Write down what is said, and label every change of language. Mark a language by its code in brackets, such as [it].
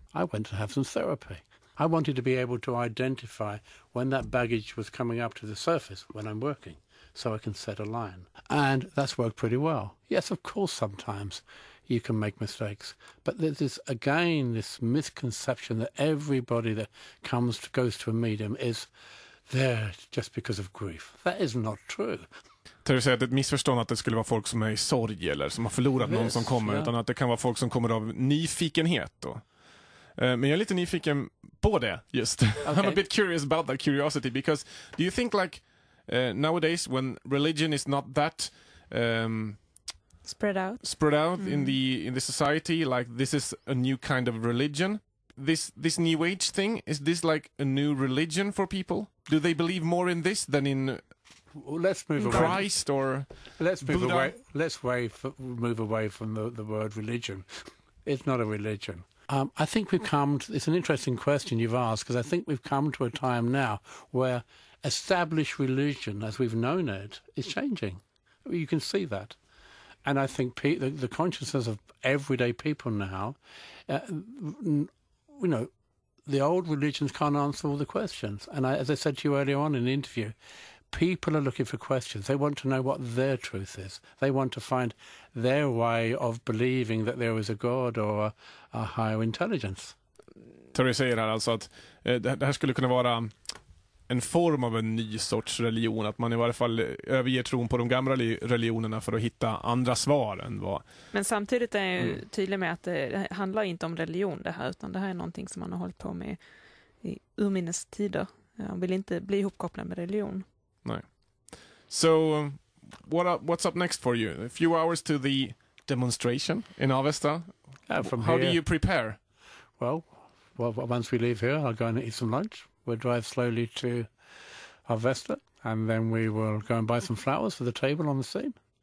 [en] I went to have some therapy. I wanted to be able to identify when that baggage was coming up to the surface when I'm working, so I can set a line. And that's worked pretty well. Yes, of course, sometimes you can make mistakes. But there's this, again, this misconception that everybody that goes to a medium is there just because of grief. That is not true. [sv] Terry säger att det är ett missförstånd att det skulle vara folk som är i sorg eller som har förlorat någon som kommer, utan att det kan vara folk som kommer av nyfikenhet då. Men jag är lite nyfiken på det just. [en] Okay. I'm a bit curious about that curiosity, because do you think like nowadays when religion is not that spread out in the society, like this is a new kind of religion, this new age thing, is this like a new religion for people? Do they believe more in this than in move away from the word religion. It's not a religion. I think we've come to, it's an interesting question you've asked, because I think we've come to a time now where established religion as we've known it is changing. You can see that. And I think the consciousness of everyday people now, you know, the old religions can't answer all the questions. And as I said to you earlier on in the interview, people are looking for questions. They want to know what their truth is. They want to find their way of believing that there is a God or a higher intelligence. [sv] Terry säger här alltså att det här skulle kunna vara en form av en ny sorts religion, att man i varje fall överger tron på de gamla religionerna för att hitta andra svar än vad... Men samtidigt är ju tydlig med att det handlar inte om religion det här, utan det här är någonting som man har hållit på med i urminnes tider. Man vill inte bli ihopkopplad med religion. [en] No. So, what's up next for you? A few hours to the demonstration in Avesta. How do you prepare? Well, once we leave here, I'll go and eat some lunch. We'll drive slowly to Avesta, and then we will go and buy some flowers for the table on the scene.